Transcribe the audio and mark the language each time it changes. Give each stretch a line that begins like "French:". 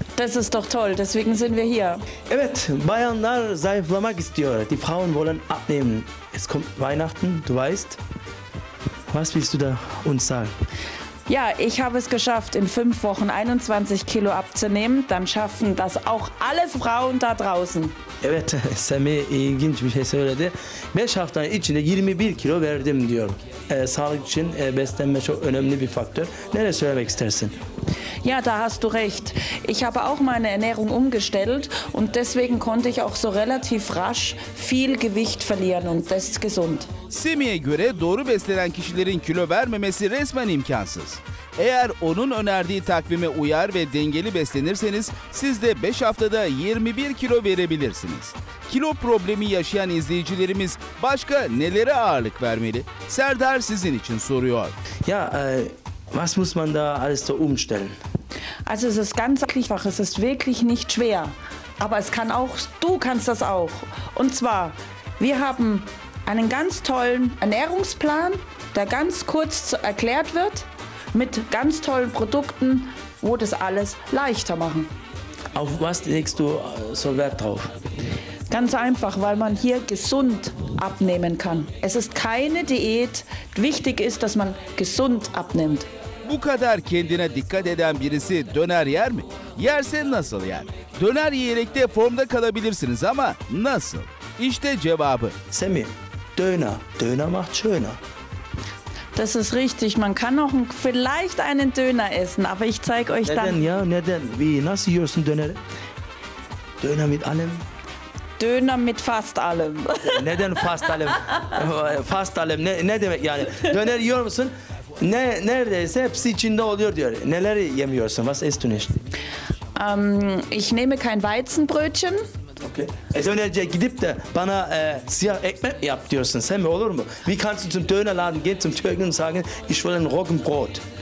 German: Das ist doch toll, deswegen sind wir hier.
Turkish: Evet, bayanlar zayıflamak istiyor.
German: Die Frauen wollen abnehmen. Es kommt Weihnachten, du weißt. Was willst du da uns sagen? Ja, ich habe es geschafft, in 5 Wochen 21 Kilo abzunehmen. Dann schaffen das auch alle Frauen da draußen.
Turkish: Evet, Semi ilginç bir şey söyledi. 5 haftanın içinde 21 kilo verdim diyor. Sağlık için beslenme çok önemli bir faktör. Nereye söylemek istersin?
German: Ja, da hast du recht. Ich habe auch meine Ernährung umgestellt und deswegen konnte ich auch so relativ rasch viel Gewicht verlieren und das ist gesund.
Turkish: Semi'ye göre doğru beslenen kişilerin kilo vermemesi resmen imkansız. Eğer onun önerdiği takvime uyar ve dengeli beslenirseniz siz de 5 haftada 21 kilo verebilirsiniz. Kilo problemi yaşayan izleyicilerimiz başka nelere ağırlık vermeli? Serdar sizin için soruyor.
German: Ya was muss man da alles so umstellen? Also es ist ganz einfach, es ist wirklich nicht schwer. Aber es kann auch, du kannst das auch. Und zwar, wir haben einen ganz tollen Ernährungsplan, der ganz kurz erklärt wird, mit ganz tollen Produkten, wo das alles leichter machen. Auf was legst du so Wert drauf? Ganz einfach, weil man hier gesund abnehmen kann. Es ist keine Diät. Wichtig ist, dass man gesund abnimmt.
Turkish: Bu kadar kendine dikkat eden birisi döner yer mi? Yerse nasıl yer? Döner yiyerek de formda kalabilirsiniz ama nasıl? İşte cevabı.
German: Semi, döner. Döner macht schöner. Das ist richtig. Man kann auch vielleicht einen Döner essen, aber ich zeige euch
Turkish: neden
German: dann.
Turkish: Neden ya? Neden?
German: Wie?
Turkish: Nasıl yiyorsun döneri?
German: Döner mit allem? Döner mit fast allem.
Turkish: Neden
German: fast allem? Fast allem
Turkish: ne demek yani? Döner yiyor musun? Neredeyse hepsi içinde oluyor diyor. Neler yemiyorsun?
German: Was isst du nicht? Ich nehme kein Weizenbrötchen. Okay.
Turkish: Dönerciye gidip de bana siyah ekmek mi yap diyorsun sen mi olur mu?
German: Wie kannst du zum Dönerladen gehen zum Türken und sagen, ich will ein Roggenbrot?